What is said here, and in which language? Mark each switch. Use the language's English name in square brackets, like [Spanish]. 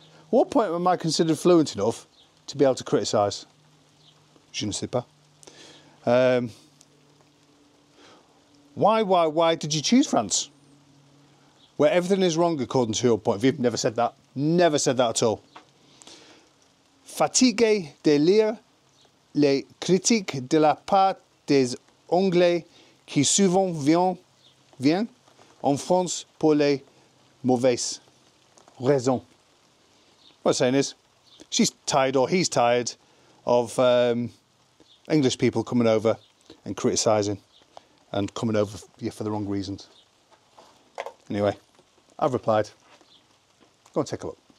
[English] What point am I considered fluent enough to be able to criticise? [French] Je ne sais pas. [English] Why did you choose France? Where everything is wrong according to your point of view. Never said that. Never said that at all. [French] Fatigué de lire les critiques de la part des Anglais qui souvent viennent en France pour les mauvaises raisons. [English] What I'm saying is, she's tired, or he's tired, of English people coming over and criticising and coming over for the wrong reasons. Anyway, I've replied. Go and take a look.